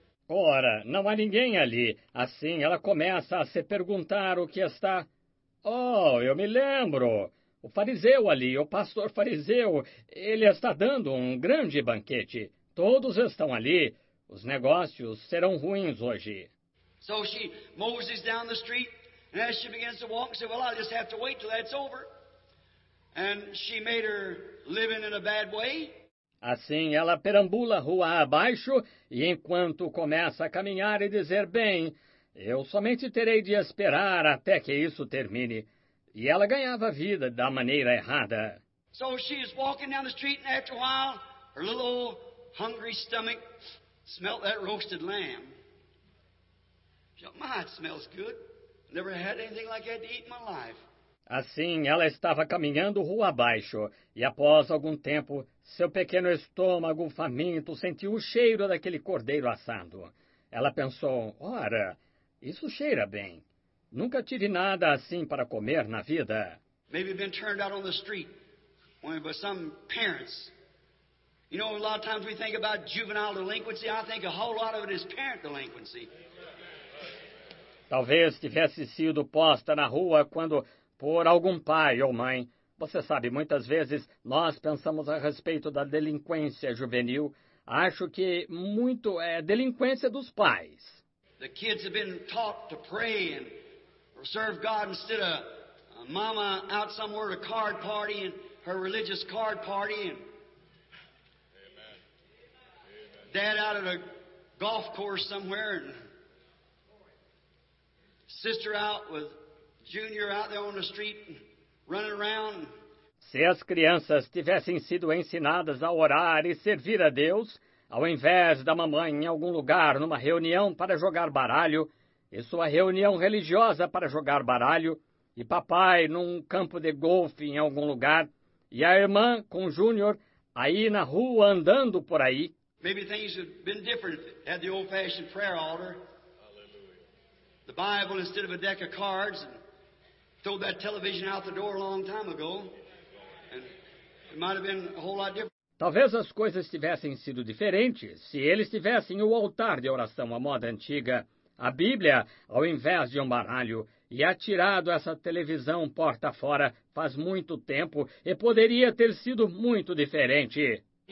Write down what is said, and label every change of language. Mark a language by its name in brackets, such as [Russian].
[Portuguese] Ora, não há ninguém ali. Assim, ela começa a se perguntar o que está... Oh, eu me lembro... O fariseu ali, o pastor fariseu, ele está dando um grande banquete. Todos estão ali. Os negócios serão ruins hoje. [English] So she moves down the street, and as she begins to walk, she said, well, I'll just have to wait till that's over. And she made her living in a bad way. [Portuguese] Assim, ela perambula rua abaixo, e enquanto começa a caminhar e dizer, bem, eu somente terei de esperar até que isso termine. E ela ganhava a vida da maneira errada. [English] So she is walking down the street and after a while, her little old hungry stomach smelled that roasted lamb. She said, my, it smells good. Never had anything like that to eat in my life. [Portuguese] Assim, ela estava caminhando rua abaixo. E após algum tempo, seu pequeno estômago faminto sentiu o cheiro daquele cordeiro assado. Ela pensou, ora, isso cheira bem. Nunca tive nada assim para comer na vida. [English] Maybe been turned out on the street by some parents. You know, a lot of times we think about juvenile delinquency. I think a whole lot of it is parent delinquency. [Portuguese] Talvez tivesse sido posta na rua quando por algum pai ou mãe. Você sabe, muitas vezes nós pensamos a respeito da delinquência juvenil. Acho que muito é delinquência dos pais. [English] The kids have been taught to pray and serve God instead of a mama out somewhere at a card party and her religious card party and Amen. Dad out at a golf course somewhere and sister out with Junior out there on the street running around. [Portuguese] Se as crianças tivessem sido ensinadas a orar e servir a Deus, ao invés da mamãe em algum lugar numa reunião para jogar baralho, e sua reunião religiosa para jogar baralho, e papai num campo de golfe em algum lugar, e a irmã com o Júnior aí na rua andando por aí. [English] Maybe things would have been different if it had the old-fashioned prayer altar. Hallelujah. The Bible instead of a deck of cards, and throw that television out the door a long time ago. And it might have been a whole lot different. [Portuguese] Talvez as coisas tivessem sido diferentes se eles tivessem o altar de oração à moda antiga, a Bíblia, ao invés de um baralho, e atirado essa televisão porta fora faz muito tempo e poderia ter sido muito diferente.